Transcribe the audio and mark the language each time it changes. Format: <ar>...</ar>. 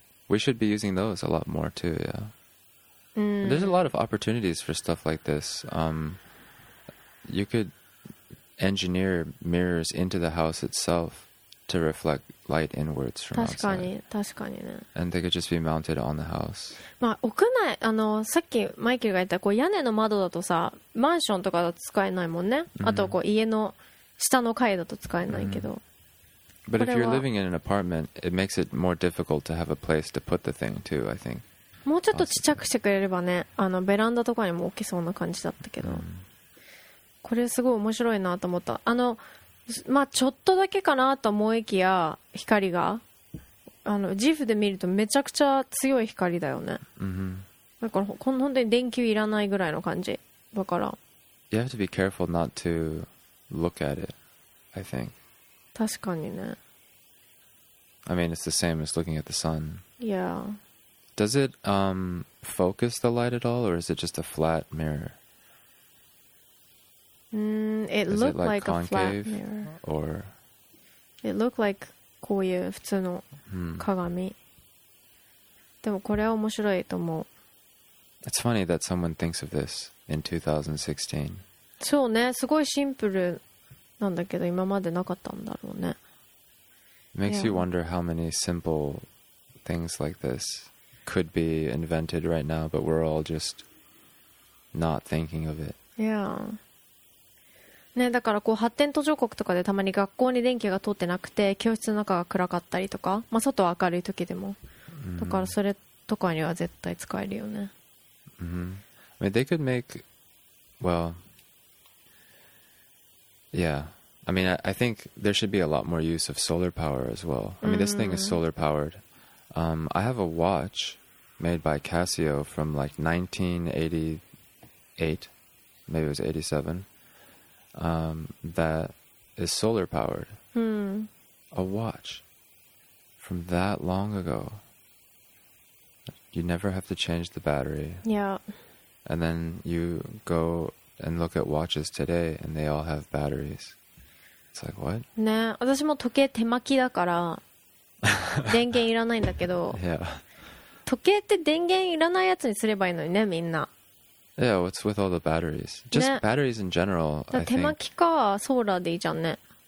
<en>We should be using those a lot more too, yeah. Mm. There's a lot of opportunities for stuff like this. You could... Engineer mirrors into the house itself to reflect light inwards from outside.</en> <ja>確かにね。</ja> <en>And they could just be mounted on the house.</en> <ja>まあ屋内さっきマイケルが言ったこう屋根の窓だとさマンションとかだと使えないもんね。 Mm-hmm. あとこう家の下の階だと使えないけど。</ja> <en>Mm-hmm. But if you're living in an apartment, it makes it more difficult to have a place to put the thing too. I think.</en> <ja>もうちょっとちっちゃくしてくれればね、ベランダとかにも置けそうな感じだったけど。 Mm-hmm. これすごい面白いなと思った。まあ、ちょっとだけかなと思いきや、光が。ジフで見るとめちゃくちゃ強い光だよね。 Mm-hmm. だから、本当に電球いらないぐらいの感じ。だから。</ja> <en>You have to be careful not to look at it, I think.</en> <ja>確かにね。</ja> <en>I mean, it's the same as looking at the sun. Yeah. Does it, focus the light at all, or is it just a flat mirror? It looked like a flat mirror. Or it looked like</en> <ja>こういう普通の鏡。でもこれは面白いと思う。</ja> <en>It's funny that someone thinks of this in 2016.</en> <ja>そうね、すごいシンプルなんだけど今までなかったんだろうね。</ja> <en>Makes you wonder how many simple things like this could be invented right now, but we're all just not thinking of it. Yeah.</en> <ja>ね、だからこう発展途上国とかでたまに学校に電気が通ってなくて教室の中が暗かったりとか、まあ、外は明るい時でも、mm-hmm. だからそれとかには絶対使えるよね、</ja> <en>mm-hmm. mean, they could make, well, yeah. I mean, I think there should be a lot more use of solar power as well. I mean, this thing is solar powered. I have a watch made by Casio from like 1988, maybe it was 87, that is solar powered. A watch from that long ago. You never have to change the battery. Yeah. And then you go and look at watches today and they all have batteries. It's like, what?</en> <ja>ね、私も時計手巻きだから電源いらないんだけど。</ja> <en>Yeah.</en> <ja>時計って電源いらないやつにすればいいのにね、みんな。</ja> <en>Yeah, what's with all the batteries? Just、ね、batteries in general, I think.</en> <ja>手巻きかソーラーでいいじゃんね。</ja>